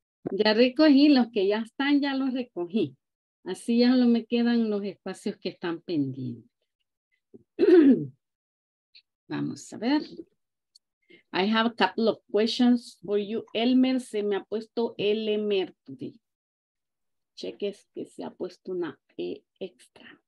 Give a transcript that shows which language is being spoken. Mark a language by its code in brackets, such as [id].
[es] Ya recogí los que ya están, ya los recogí. Así ya no me quedan los espacios que están pendientes. Vamos a ver. [en] I have a couple of questions for you. [es] Elmer, se me ha puesto Elmer [en] today. [es] Cheques que se ha puesto una E extra.